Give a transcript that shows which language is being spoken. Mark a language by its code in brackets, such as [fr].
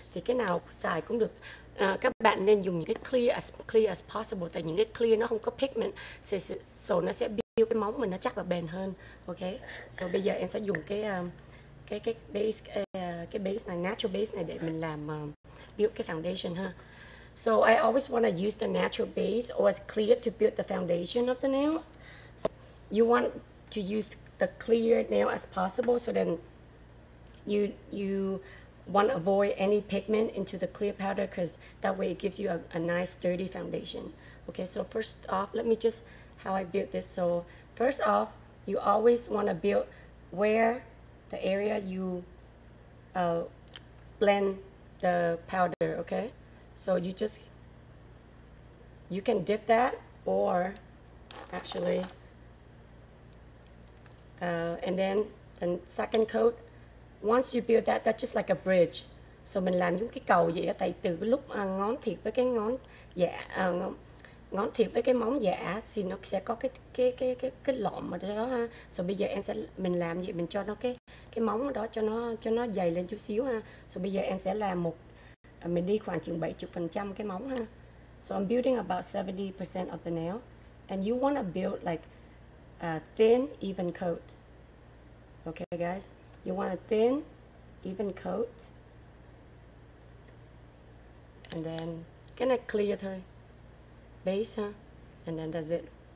[vi] Thì cái nào xài cũng được. Các bạn nên dùng những cái [en] clear as possible, [vi] tại những cái clear nó không có pigment, so nó sẽ build cái móng mình nó chắc và bền hơn. Ok, so bây giờ em sẽ dùng cái base này, natural base này để mình làm build cái foundation ha. [en] So I always want to use the natural base or as clear to build the foundation of the nail. So you want to use the clear nail as possible, so then you want to avoid any pigment into the clear powder, because that way it gives you a nice sturdy foundation. Okay, so first off, let me just how I build this. So first off, you always want to build where the area you blend the powder. Okay, so you can dip that, or actually and then the second coat, once you build that, that's just like a bridge. [vi] So mình làm giống cái cầu vậy, tại từ lúc ngón thiệt với cái ngón giả, ngón thiệt với cái móng giả thì nó sẽ có cái lõm ở đó ha. So bây giờ mình làm vậy, mình cho nó cái móng đó cho nó dày lên chút xíu ha. So bây giờ em sẽ làm một mình đi khoảng chừng 70% cái móng ha. [en] So I'm building about 70% of the nail, and you want to build like a thin even coat. Okay guys, you want a thin even coat, and then can I clear the base, huh? And then that's it.